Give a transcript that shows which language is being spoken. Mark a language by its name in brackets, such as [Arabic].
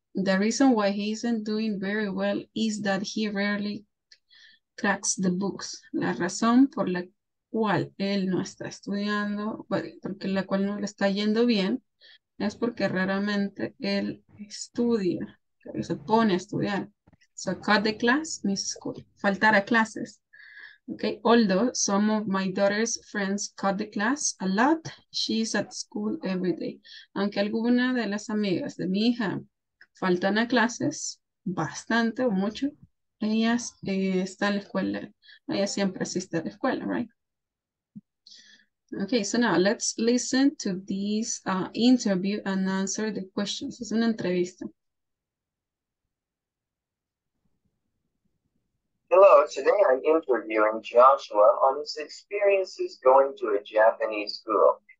[English] The reason why he isn't doing very well is that he rarely cracks the books. [Spanish] La razón por la cual él no está estudiando, porque la cual no le está yendo bien, es porque raramente él estudia, él se pone a estudiar. [English] So cut the class, miss school, [Spanish] faltar a clases. [English] Okay, although some of my daughter's friends cut the class a lot, she's at school every day. [Spanish] Aunque alguna de las amigas de mi hija faltan a clases bastante o mucho, ellas están en la escuela, ella siempre asiste a la escuela, right? [English] Okay, so now let's listen to this interview and answer the questions. [Spanish] Es una entrevista. [English] Hello, today I'm interviewing Joshua on his experiences going to a Japanese school.